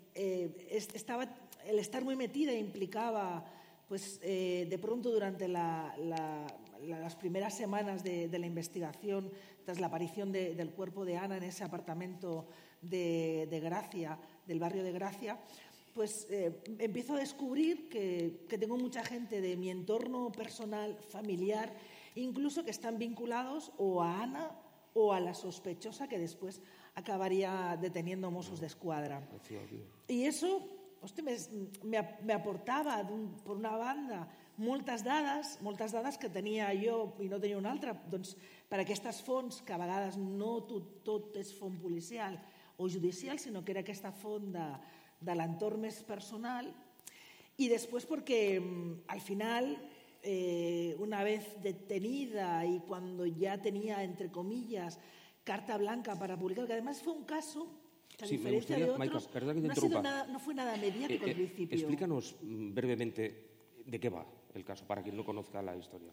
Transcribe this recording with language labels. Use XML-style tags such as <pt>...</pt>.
<es>El estar muy metida implicaba, pues, de pronto durante las primeras semanas de la investigación, tras la aparición del cuerpo de Ana en ese apartamento de Gracia, del barrio de Gracia, pues empiezo a descubrir que tengo mucha gente de mi entorno personal, familiar, incluso que están vinculados o a Ana o a la sospechosa que después acabaría deteniendo a Mossos de Escuadra. Y eso... me aportaba, por una banda,</es> <ca>moltes dades que tenia jo i no tenia una altra, doncs, per aquestes fonts, que a vegades no tot és font policial o judicial, sinó que era aquesta font de l'entorn més personal. I després perquè, al final,</ca> <es>una vez detenida</es> <ca>i quan ja tenia,</ca> <es>entre comillas,</es> <ca>carta blanca per publicar,</ca> <es>que además fue un caso... Sí, me gustaría, Maika, perdona que te interrumpa. No fue nada mediático al principio. Explícanos brevemente de qué va el caso, para quien no conozca la historia.</es>